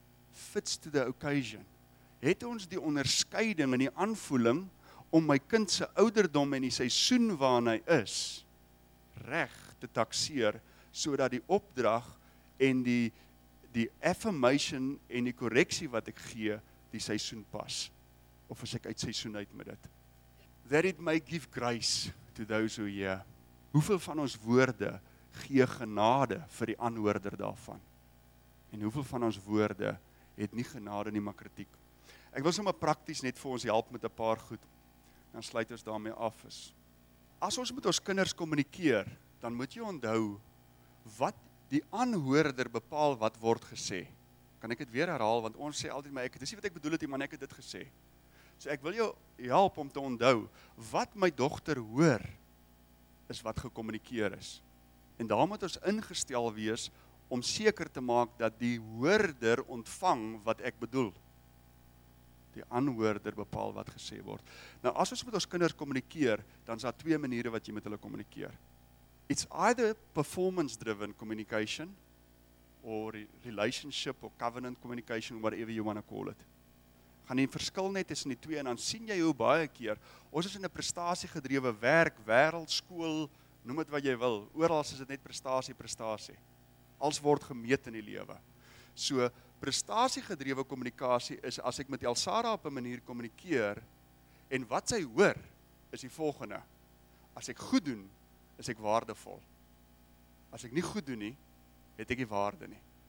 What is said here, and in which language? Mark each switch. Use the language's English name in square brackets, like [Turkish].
[English] Fits to the occasion. [Afrikaans] Het ons die onderskeiding en die aanvoeling om my kind se ouderdom en die seisoen waarin hy is reg te takseer sodat die opdrag en die affirmation en die korreksie wat ek gee die seisoen pas? Of as ek uit seisoen uit met dit? [English] That it may give grace to those who hear. [Afrikaans] Hoeveel van ons woorde gee genade vir die aanhoorder daarvan? En hoeveel van ons woorde het nie genade nie, maar kritiek? Ek wil sommer prakties net vir ons help met 'n paar goed. Dan sluit ons daarmee af. As ons met ons kinders kommunikeer, dan moet jy onthou wat die aanhoorder bepaal wat word gesê. Kan ek dit weer herhaal? Want ons sê altyd, maar ek, dis nie wat ek bedoel het nie, maar ek het dit gesê. So ek wil jou help om te onthou, wat my dogter hoor, is wat gekommunikeer is. En daar moet ons ingestel wees om seker te maak dat die hoorder ontvang wat ek bedoel. Die aanhoorder bepaal wat gesê word. Nou, as ons met ons kinders kommunikeer, dan is daar twee maniere wat jy met hulle kommunikeer. [English] It's either performance-driven communication, or relationship, or covenant communication, whatever you want to call it. [Afrikaans] Gaan die verskil net tussen die twee, en dan sien jy hoe baie keer, ons is in 'n prestasiegedrewe werk, wêreld, skool, noem dit wat jy wil, oral is dit net prestasie. Als word gemeet in die lewe. So, prestasiegedrewe kommunikasie is, as ek met Elsara op 'n manier kommunikeer, en wat sy hoor, is die volgende. As ek goed doen, is ek waardevol. As ek nie goed doen nie, het ek nie waarde nie.